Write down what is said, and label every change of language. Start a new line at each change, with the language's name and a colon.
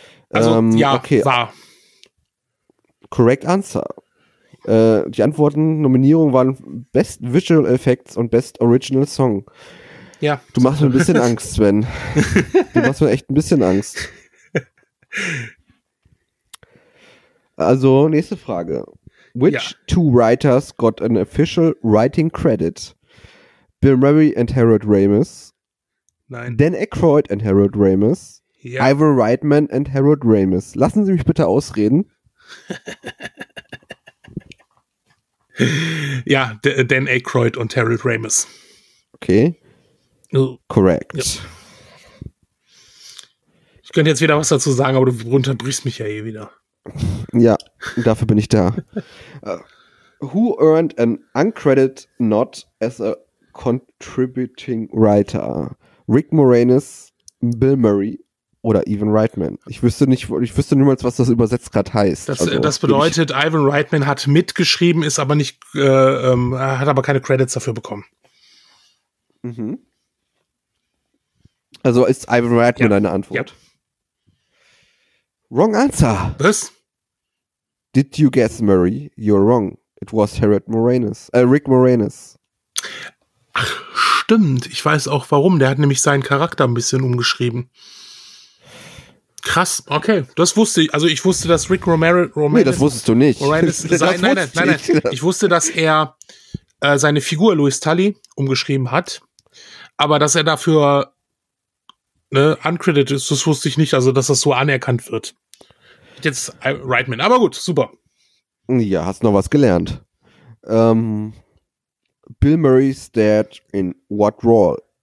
German: Also, ja, okay. War.
English: Correct answer.
German: Die Antworten, Nominierungen waren Best Visual Effects und Best Original Song. Ja. Du machst mir ein bisschen Angst, Sven. Du machst mir echt ein bisschen Angst. Also, nächste Frage.
English: Which two writers got an official writing credit? Bill Murray and Harold Ramis?
German: Nein.
English: Dan Aykroyd and Harold Ramis?
German: Ja.
English: Ivor Reitman and Harold Ramis?
German: Lassen Sie mich bitte ausreden. Ja, Dan Aykroyd und Harold Ramis. Okay. Correct. Ja. Ich könnte jetzt wieder was dazu sagen, aber du unterbrichst mich ja eh wieder. Ja, dafür bin ich da.
English: Who earned an uncredited nod as a contributing writer?
German: Rick Moranis, Bill Murray oder Ivan Reitman? Ich wüsste niemals, was das übersetzt gerade heißt. Das bedeutet, Ivan Reitman hat mitgeschrieben, ist aber nicht, hat aber keine Credits dafür bekommen. Mhm. Also ist Ivan Reitman deine Antwort? Ja.
English: Wrong answer.
German: Was?
English: Did you guess Murray? You're wrong. It was Harold Moranis. Rick Moranis.
German: Ach, stimmt. Ich weiß auch warum. Der hat nämlich seinen Charakter ein bisschen umgeschrieben. Krass. Okay, das wusste ich. Also ich wusste, dass Rick Romero. Nee, das wusstest du nicht. Ich wusste, dass er seine Figur Louis Tully umgeschrieben hat. Aber dass er dafür uncredited ist, das wusste ich nicht. Also, dass das so anerkannt wird. Jetzt Reitman. Aber gut, super. Ja, hast noch was gelernt.
English: Bill Murray's dad in what role?